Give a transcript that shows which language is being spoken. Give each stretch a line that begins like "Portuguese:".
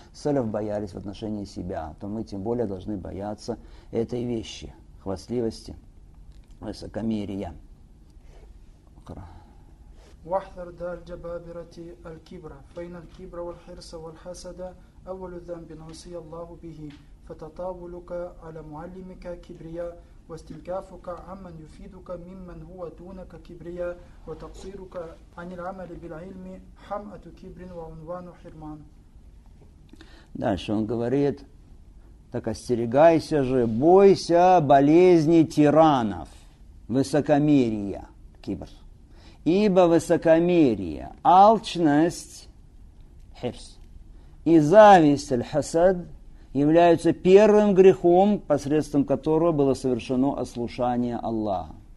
Russian: Салиф боялись в отношении себя, то мы тем более должны бояться этой вещи, хвастливости, высокомерия.
Arabic: واحذر دار جبابرة الكبرى فإن الكبر والحرص والحسد أول ذنب نوصي الله به فتطاولك على معلمك كبرياء واستلكافك عمن يفيدك ممن هو دونك كبرياء وتقصيرك عن العمل بالعلم حمأة كبر وعنوان حرمان.
Russian: Дальше он говорит, так остерегайся же, бойся болезни тиранов, высокомерия, кибр. Ибо высокомерие, алчность, хирс, и зависть, аль-хасад, являются первым грехом, посредством которого было совершено ослушание Аллаха.